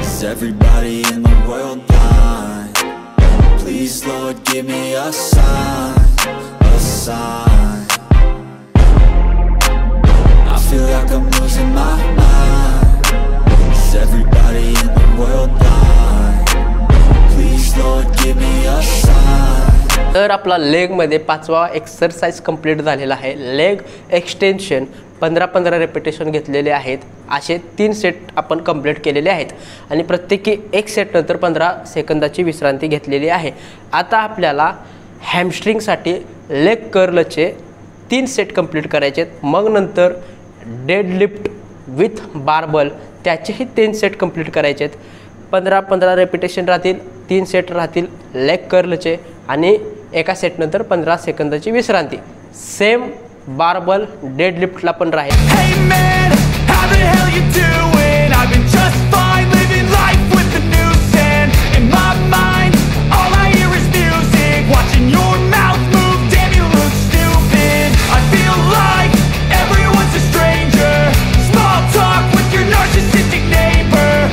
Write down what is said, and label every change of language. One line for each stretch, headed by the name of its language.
English: Is everybody in the world blind? Please, Lord, give me a sign. A sign. I feel like I'm losing my mind. Is everybody in the world blind? Please, Lord, give me a sign.
Marathi: तर आपला leg मध्ये पाचवा exercise complete झालेला आहे. Leg extension 15-15 repetition घेतलेले आहेत, असे 3 set आपण कंप्लीट केलेले आहेत आणि प्रत्येकी 1 सेट नंतर 15 सेकंदाची विश्रांती घेतलेली आहे. आता आपल्याला हॅमस्ट्रिंगसाठी लेग कर्लचे 3 सेट कंप्लीट करायचे आहेत, मग नंतर डेड लिफ्ट विथ बारबल त्याचेही 3 सेट कंप्लीट करायचे आहेत. 15-15 रेपिटेशन राहतील, 3 सेट राहतील लेग कर्लचे आणि एका सेटनंतर 15 सेकंदाची विश्रांती. सेम बारबल डेड लिफ्ट ला पण राहील.
English: Hey man, how the hell you doing? I've been just fine living life with the new sand in my mind. All I hear is music, watching your mouth move, damn you look stupid. I feel like everyone's a stranger, small talk with your narcissistic neighbor.